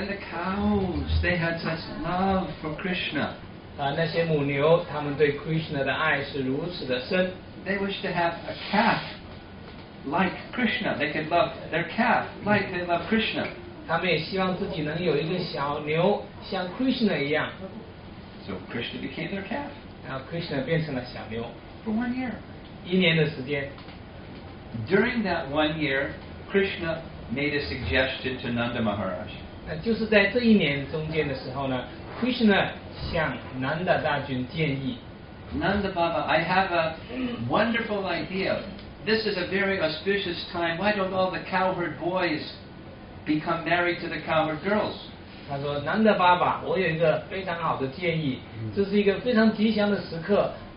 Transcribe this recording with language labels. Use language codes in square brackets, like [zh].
[zh] 那些Vrindavan的居民，他们都把Krishna当做，都现在把在一年内把Krishna当做自己的儿子，他们没有认出来的。 [en] And the cows, they had such love for Krishna. [zh] 那些母牛，他们对Krishna的爱是如此的深。They [en] wish to have a calf like Krishna. They could love their calf like they love Krishna. [zh] 他们也希望自己能有一个小牛像Krishna一样。 [en] So Krishna became their calf. [zh] 然后Krishna变成了小牛。 [en] 1 year. [zh] 一年的时间。 [en] During that 1 year, Krishna made a suggestion to Nanda Maharaj. [zh] 就是在这一年中间的时候呢， Krishna向Nanda大君建议。 [en] Nanda Baba, I have a wonderful idea. This is a very auspicious time. Why don't all the cowherd boys become married to the cowherd girls? [zh] 他说， Nanda Baba, 我有一个非常好的建议，这是一个非常吉祥的时刻。